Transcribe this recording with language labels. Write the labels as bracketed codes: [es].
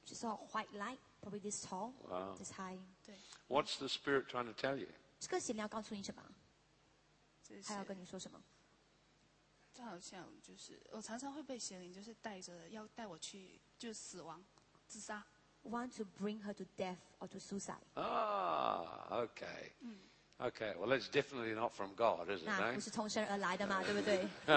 [en] She saw a white light, probably this tall, wow. this high. [zh] 对。 [en] What's the spirit trying to tell you? [zh] 这个邪灵要告诉你什么？他要跟你说什么？这好像就是我常常会被邪灵就是带着要带我去就死亡自杀。 [en] Want to bring her to death or to suicide. Ah, okay. Okay, well, that's definitely not from God, is it? [zh] 那不是从神而来的吗, 对不对?